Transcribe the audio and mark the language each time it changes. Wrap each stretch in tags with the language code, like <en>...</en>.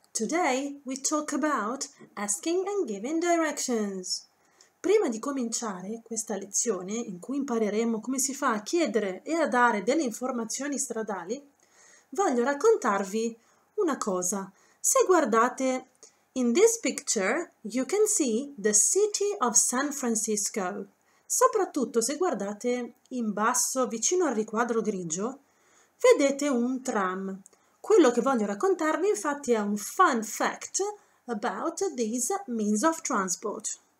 <en>Today we talk about asking and giving directions.</en> <it>Prima di cominciare questa lezione, in cui impareremo come si fa a chiedere e a dare delle informazioni stradali, voglio raccontarvi una cosa. Se guardate,</it> <en>in this picture you can see the city of San Francisco.</en> <it>Soprattutto se guardate in basso, vicino al riquadro grigio, vedete un tram. Quello che voglio raccontarvi, infatti, è un</it> <en>fun fact about these means of transport.</en>